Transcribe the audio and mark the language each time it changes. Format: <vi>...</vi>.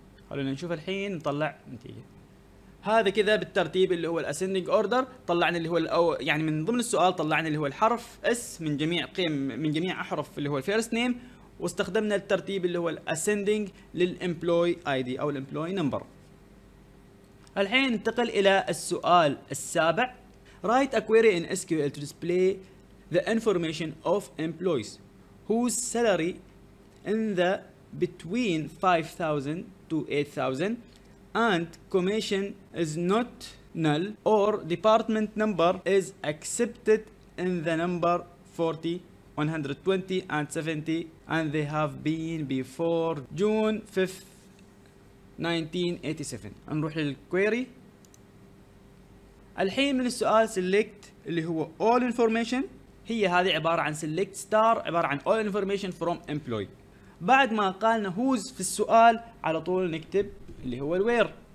<ar>خلونا نشوف الحين نطلع نتيجة. هذا كذا بالترتيب اللي هو الاسندنج اوردر، طلعنا اللي هو يعني من ضمن السؤال طلعنا اللي هو الحرف S من جميع قيم من جميع احرف اللي هو الفيرست نيم، واستخدمنا الترتيب اللي هو الاسندنج للامبلوي اي دي او الامبلوي نمبر. الحين ننتقل الى السؤال السابع.</ar> <en>Write a query in SQL to display the information of employees whose salary in the between 5,000 to 8,000 and commission is not null or department number is accepted in the number 40, 120 and 70 and they have been before June 5th, 1987.</en> <ar>نروح للquery. الحين من السؤال select اللي هو all information، هي هذه عبارة عن select star عبارة عن</ar> <en>all information from employee.</en> <ar>بعد ما قالنا هوز في السؤال على طول نكتب اللي هو الوير.</ar>